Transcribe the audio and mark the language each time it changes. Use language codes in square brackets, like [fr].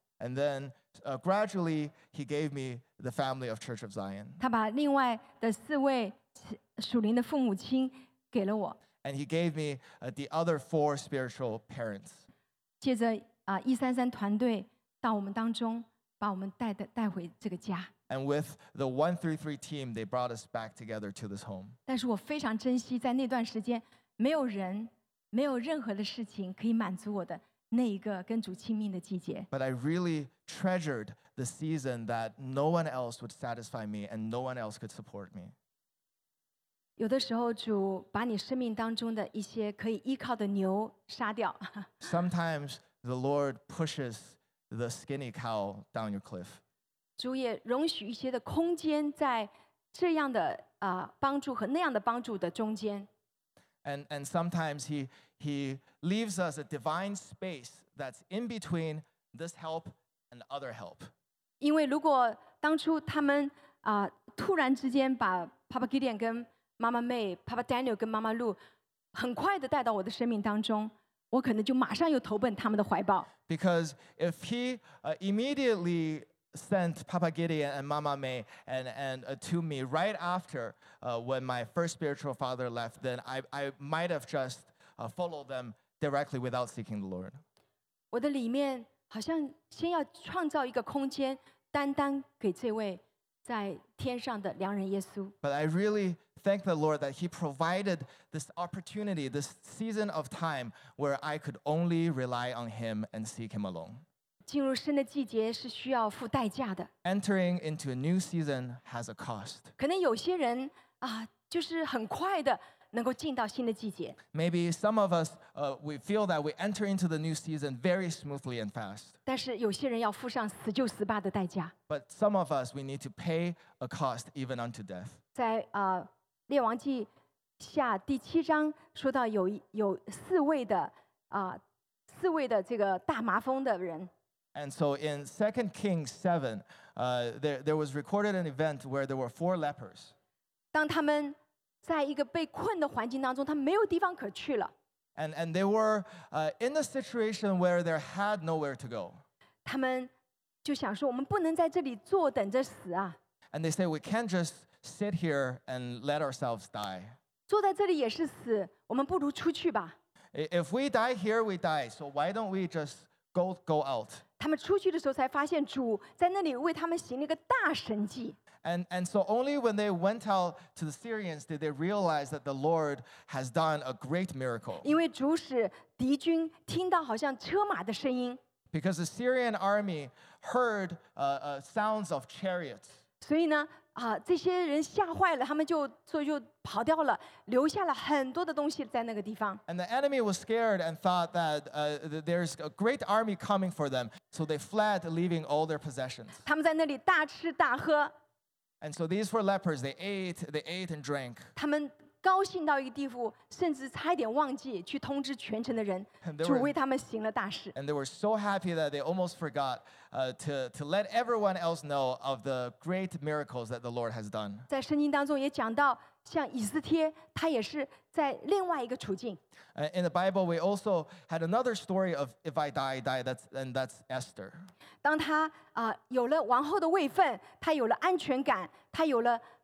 [en] And then gradually he gave me the family of Church of Zion. [zh] 他把另外的四位属灵的父母亲给了我。 [en] And he gave me the other four spiritual parents. [zh] 接着133团队到我们当中把我们带回这个家。 [en] And with the 133 team, they brought us back together to this home. [zh] 但是我非常珍惜在那段时间没有人，没有任何的事情可以满足我的那一个跟主亲密的季节。 [en] But I really treasured the season that no one else would satisfy me and no one else could support me. [zh] 有的时候主把你生命当中的一些可以依靠的牛杀掉。 [en] Sometimes the Lord pushes the skinny cow down your cliff. [zh] 主也容许一些的空间在这样的帮助和那样的帮助的中间。 [en] And sometimes he leaves us a divine space that's in between this help and other help. [zh] 因为如果当初他们突然之间把 Papa Gideon 跟妈妈 May、Papa Daniel 跟妈妈 Lu 很快的带到我的生命当中，我可能就马上又投奔他们的怀抱。 [en] Because if he immediately sent Papa Gideon and Mama May and to me right after when my first spiritual father left, then I might have just followed them directly without seeking the Lord. [zh] 我的里面好像先要创造一个空间，单单给这位在天上的良人耶稣。 [en] But I really thank the Lord that He provided this opportunity, this season of time where I could only rely on Him and seek Him alone. [zh] 进入新的季节是需要付代价的。 [en] Entering into a new season has a cost. [zh] 可能有些人就是很快的能够进到新的季节。 [en] Maybe some of us, we feel that we enter into the new season very smoothly and fast. [zh] 但是有些人要付上死就死罢的代价。 [en] But some of us, we need to pay a cost even unto death. [zh] 在列王记下第七章说到有四位的这个大麻风的人。 [en] And so in 2 Kings 7, there was recorded an event where there were four lepers. [zh] 当他们在一个被困的环境当中，他们没有地方可去了。 [en] And they were in a situation where they had nowhere to go. [zh] 他们就想说，我们不能在这里坐等着死啊。 [en] And they say, we can't just sit here and let ourselves die. [zh] 坐在这里也是死，我们不如出去吧。 [en] If we die here, we die. So why don't we just go out? [zh] 他们出去的时候才发现主在那里为他们行了一个大神迹。 [en] And so only when they went out to the Syrians did they realize that the Lord has done a great miracle. [zh] 因为主使敌军听到好像车马的声音。 [en] Because the Syrian army heard sounds of chariots. [zh] 所以呢，这些人吓坏了，他们就跑掉了，留下了很多的东西在那个地方。 [en] And the enemy was scared and thought that there's a great army coming for them, so they fled, leaving all their possessions. [zh] 他们在那里大吃大喝。 [en] And so these four lepers, they ate and drank. [zh] 他们高兴到一个地步，甚至差点忘记去通知全城的人，主为他们行了大事。 [en] And they were so happy that they almost forgot to let everyone else know of the great miracles that the Lord has done. [zh] 在圣经当中也讲到，像以斯帖，他也是在另外一个处境。 [en] In the Bible, we also had another story of if I die, I die. That's Esther. [zh] 当他有了王后的位分，他有了安全感，他有了。